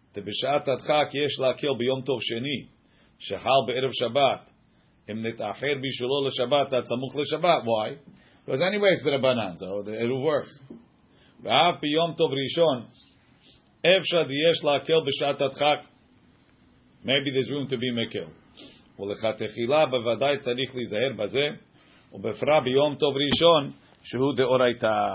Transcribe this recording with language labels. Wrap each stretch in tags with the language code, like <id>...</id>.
<he>בשעת הדחק יש להקל ביום טוב שני שחל בערב שבת אם נתאחר בשבילו לשבת עד סמוך לשבת.</he> <en>Why? Because anyway it's the Rabbanan, so it works.</en> <he>ואף ביום טוב ראשון אפשר יש להקל בשעת הדחק.</he> <en>Maybe there's room to be</en> <he>מקל. ולכתחילה בוודאי צריך להיזהר בזה ובפרה ביום טוב ראשון שהוא דאורייתא.</he>